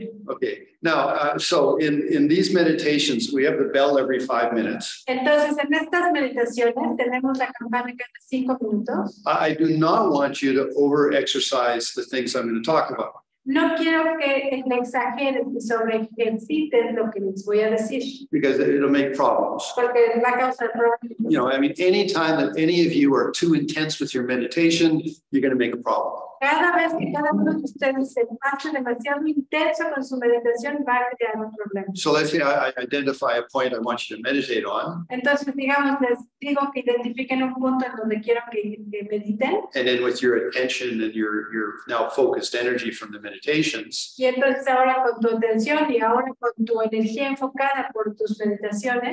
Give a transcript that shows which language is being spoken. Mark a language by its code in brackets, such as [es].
[en] Okay, now, so in these meditations, we have the bell every 5 minutes. [es] Entonces, en estas meditaciones, tenemos la campana cada 5 minutos. [en] I do not want you to over-exercise the things I'm going to talk about. [es] No quiero que me exageren y sobreexciten lo que les voy a decir. [en] Because it'll make problems. [es] Porque va a causar problemas. [en] You know, I mean, any time that any of you are too intense with your meditation, you're going to make a problem. [es] Cada vez que cada uno de ustedes se pase demasiado intenso con su meditación, va a crear un problema. [en] So let's say I identify a point I want you to meditate on. [es] Entonces, digamos, les digo que identifiquen un punto en donde quiero que mediten. [en] And then with your attention and your now focused energy from the meditations. [es] Y entonces ahora con tu atención y ahora con tu energía enfocada por tus meditaciones.